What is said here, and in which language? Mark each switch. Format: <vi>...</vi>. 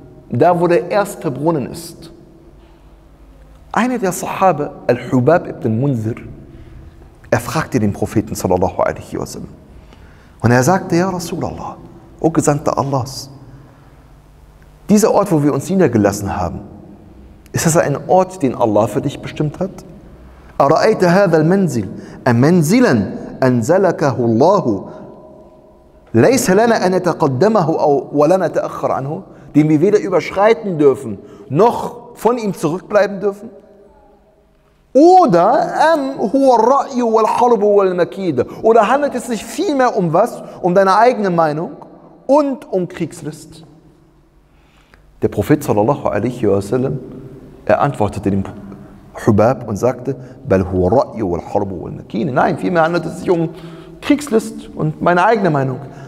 <de>Da, wo der erste Brunnen ist. Einer der Sahabe, Al-Hubab ibn Munzir, er fragte den Propheten sallallahu alaihi wasallam. Und er sagte, ja Rasulallah, o Gesandter Allahs, dieser Ort, wo wir uns niedergelassen haben, ist das ein Ort, den Allah für dich bestimmt hat?</de> <ar>أرأيت هذا المنزل منزلا أنزلكه الله ليس لنا أن نتقدمه أو ولا نتأخر عنه,</ar> <de>den wir weder überschreiten dürfen noch von ihm zurückbleiben dürfen. Oder handelt es sich vielmehr um was? Um deine eigene Meinung und um Kriegslist? Der Prophet sallallahu alaihi wa sallam, er antwortete dem Hubab und sagte, nein, vielmehr handelt es sich um Kriegslist und meine eigene Meinung.</de>